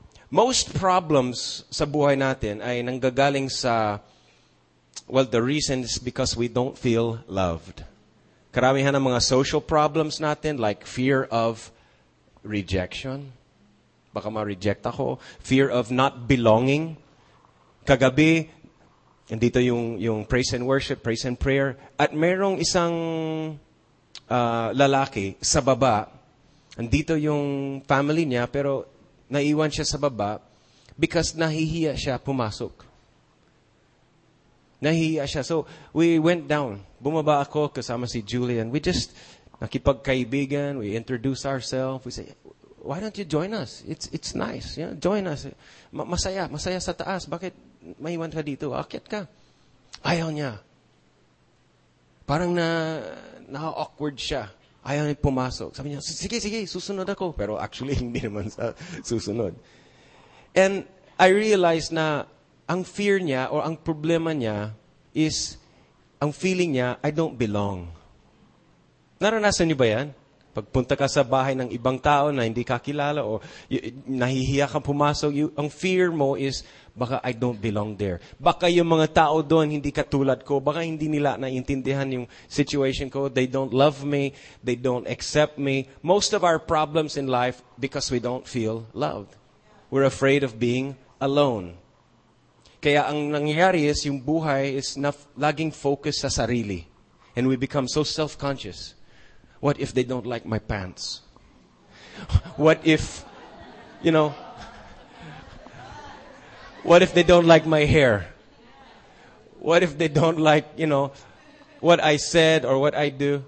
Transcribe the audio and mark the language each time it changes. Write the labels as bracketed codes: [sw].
[en] Most problems [tl] sa buhay natin ay nanggagaling sa, [en] well, the reason is because we don't feel loved. [tl] Karamihan ng mga [en] social problems natin, like fear of rejection. [tl] Baka ma-reject ako. [en] Fear of not belonging. [tl] Kagabi, andito yung [en] praise and worship, praise and prayer. [tl] At merong isang lalaki sa baba. Andito yung family niya, pero naiwan siya sa baba because nahihiya siya pumasok. Nahihiya siya. [en] So, we went down. [tl] Bumaba ako kasama si Julian. [en] We just nakipagkaibigan. We introduce ourselves. We say, why don't you join us? It's nice. You know, join us. [tl] Masaya. Masaya sa taas. Bakit maiwan ka dito? Akit ka. Ayaw niya. Parang na-awkward siya. Ayaw niya pumasok. Sabi niya, sige, sige, susunod ako. Pero actually, hindi naman sa susunod. [en] And I realized [tl] na ang fear niya or ang problema niya is ang feeling niya, [en] I don't belong. [tl] Naranasan niyo ba yan? Pagpunta ka sa bahay ng ibang tao na hindi ka kilala o nahihiya kang pumasok, ang fear mo is, baka [en] I don't belong there. [tl] Baka yung mga tao doon hindi katulad ko. Baka hindi nila naiintindihan yung situation ko. [en] They don't love me. They don't accept me. Most of our problems in life because we don't feel loved. We're afraid of being alone. [tl] Kaya ang nangyayari is, yung buhay is laging focused sa sarili. [en] And we become so self-conscious. What if they don't like my pants? What if, you know, what if they don't like my hair? What if they don't like, you know, what I said or what I do?